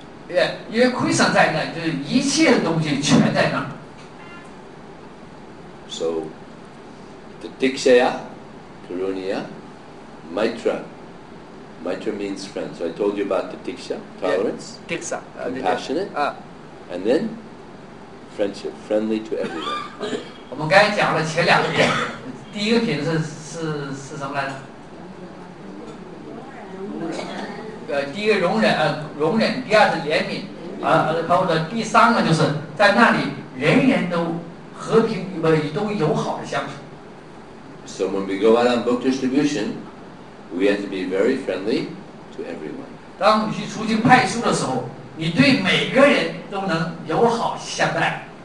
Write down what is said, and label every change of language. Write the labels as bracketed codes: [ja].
[en] Yeah, because [zh] Krishna 在那，就是一切的东西全在那。 [en] So, the Dikshaya, Karuniya, Maitra. Maitra means friend. So I told you about the Diksha, tolerance, yeah, Diksha, compassionate, and then friendship, friendly to everyone. [zh] 我们刚才讲了前两个品，第一个品是什么来着？第一个容忍，第二是怜悯，包括第三个就是在那里人人都和平都友好的相处。 [en] So when we go out on book distribution, we have to be very friendly to everyone. [zh] 当你去出去派书的时候，你对每个人都能友好相待。